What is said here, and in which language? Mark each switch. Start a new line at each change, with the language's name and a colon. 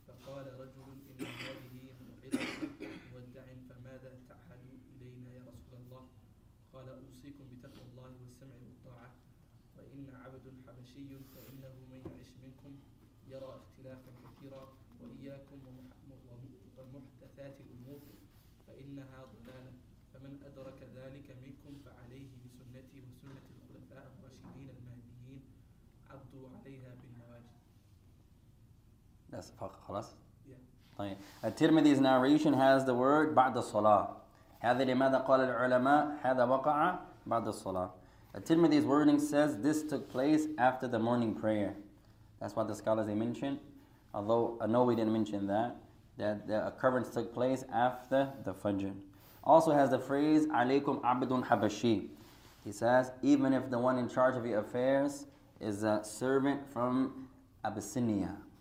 Arabic: قال رجل إن هذه موعظة مودع فماذا تعهد إلينا يا رسول الله قال أوصيكم بتقوى الله والسمع والطاعة وإن عبد حبشي فإنه من يعش منكم يرى اختلافا كثيرا وإياكم ومحدثات الأمور فإنها ضلالة فمن أدرك ذلك منكم فعليه بسنتي وسنة الخلفاء الراشدين المهديين عضوا عليها بالنواجذ.
English: That's
Arabic: خلاص. طيب.
English: At-Tirmidhi's narration has the word
Arabic: بعد الصلاة. هذا لماذا قال العلماء هذا وقع بعد الصلاة.
English: At-Tirmidhi's wording says this took place after the morning prayer. That's what the scholars they mentioned. Although I know we didn't mention that, that the occurrence took place after the Fajr. Also has the phrase
Arabic: عليكم عبد حبشي.
English: He says even if the one in charge of your affairs is a servant from Abyssinia.